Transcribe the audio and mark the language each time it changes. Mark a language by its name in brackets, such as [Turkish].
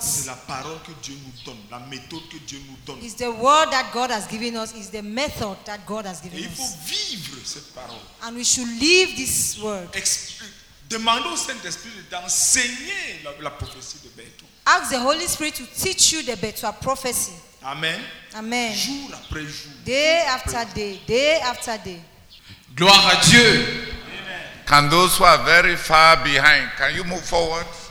[French] C'est la parole que Dieu nous donne, la méthode que Dieu nous donne. [English] It's the word that God has given us. It's the method that God has given us. [French] Et il faut vivre cette parole. [English] And we should live this word. [French] Demandez au Saint-Esprit d'enseigner la prophétie de Bertois. [English] Ask the Holy Spirit to teach you the Bertois prophecy. [French] Amen. [English] Amen. [French] Jour après jour. [English] Day after day. [French] Gloire à Dieu. [English] Amen. Can those who are very far behind, can you move forward?